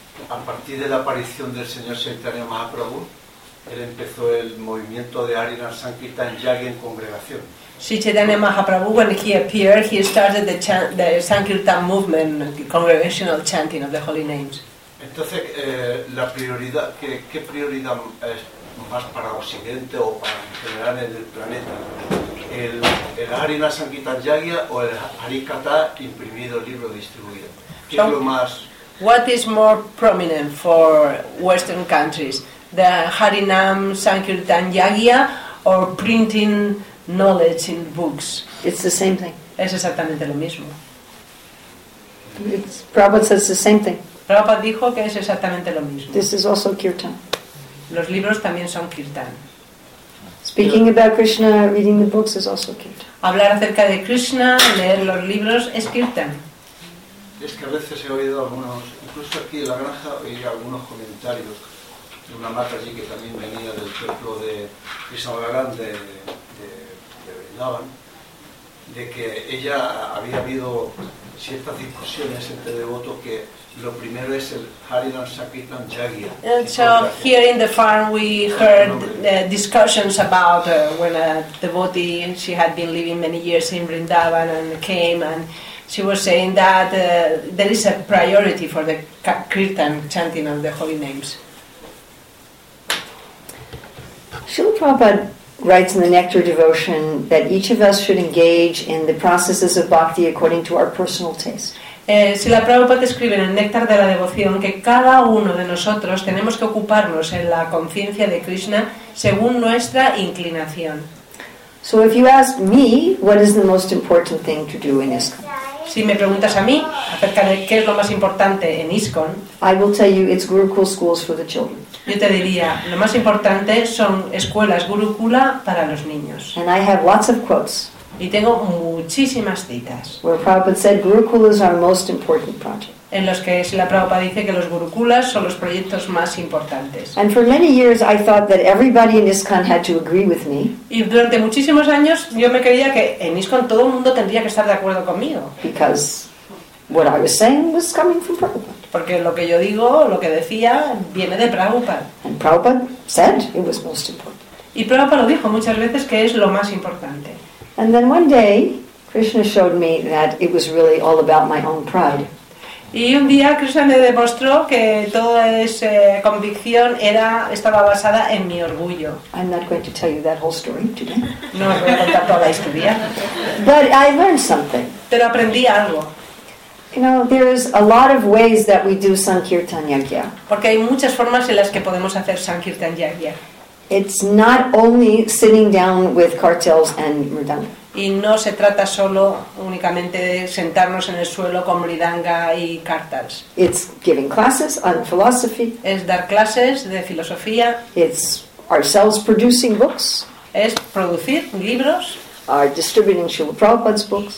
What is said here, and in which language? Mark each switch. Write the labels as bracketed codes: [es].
[es] A partir de la aparición del señor Chaitanya Mahaprabhu, él empezó el movimiento de Harinam Sankirtan Yagya en congregación. [en] Sri Chaitanya Mahaprabhu, when he appeared, he started the Sankirtan movement, the congregational chanting of the holy names. [es] Entonces, la prioridad, ¿qué prioridad es más para Occidente o para en general en el planeta? ¿El Harinam Sankirtan Yagya o el Harikatha imprimido libro distribuido? ¿Qué es lo más? [en] What is more prominent for Western countries, the Harinam Sankirtan Yagya or printing knowledge in books? It's the same thing. [es] Es exactamente lo mismo. [en] Prabhupada says the same thing. [es] Prabhupada dijo que es exactamente lo mismo. [en] This is also kirtan. [es] Los libros también son kirtan. [en] Speaking about Krishna, reading the books is also kirtan. [es] Hablar acerca de Krishna, leer los libros, es kirtan. Es que a veces he oído algunos, incluso aquí en la granja, oír algunos comentarios de una mata allí que también venía del templo de Krishnagaran, de Vrindavan, de que ella había habido ciertas discusiones entre devotos que lo primero es el Harinam Sankirtan Yagya. [en] And so here in the farm we heard discussions about when a devotee, she had been living many years in Vrindavan and came, and she was saying that there is a priority for the kirtan chanting of the holy names. Srila Prabhupada writes in the Nectar Devotion that each of us should engage in the processes of bhakti according to our personal taste. [es] Srila Prabhupada escribe en el Néctar de la Devoción que cada uno de nosotros tenemos que ocuparnos en la conciencia de Krishna según nuestra inclinación. [en] So if you ask me, what is the most important thing to do in ISKCON? [es] si me preguntas a mí acerca de qué es lo más importante en ISKCON, [en] I will tell you it's Gurukul schools for the children. [es] Yo te diría, lo más importante son escuelas Gurukula para los niños. [en] And I have lots of quotes. [es] Y tengo muchísimas citas. [en] Where Prabhupada said Gurukula is our most important project. [es] En los que Srila Prabhupada dice que los Gurukulas son los proyectos más importantes. [en] And for many years I thought that everybody in ISKCON had to agree with me. [es] Y durante muchísimos años yo me creía que en ISKCON todo el mundo tendría que estar de acuerdo conmigo. [en] Because what I was saying was coming from Prabhupada. [es] Porque lo que yo digo, lo que decía, viene de Prabhupada. [en] And Prabhupada said it was most important. [es] Y Prabhupada lo dijo muchas veces que es lo más importante. [en] And then one day Krishna showed me that it was really all about my own pride. [es] Y un día Krishna me demostró que toda esa convicción estaba basada en mi orgullo. [en] I'm not going to tell you that whole story today. [es] No os voy a contar toda la historia. [en] But I learned something. [es] Pero aprendí algo. [en] You know, there's a lot of ways that we do Sankirtan Yajna. [es] Porque hay muchas formas en las que podemos hacer Sankirtan Yajna. [en] It's not only sitting down with cartels and mridanga. [es] Y no se trata solo únicamente de sentarnos en el suelo con mridanga y cartels. [en] It's giving classes on philosophy. [es] Es dar clases de filosofía. [en] It's ourselves producing books. [es] Es producir libros. [en] Are distributing Srila Prabhupada's books.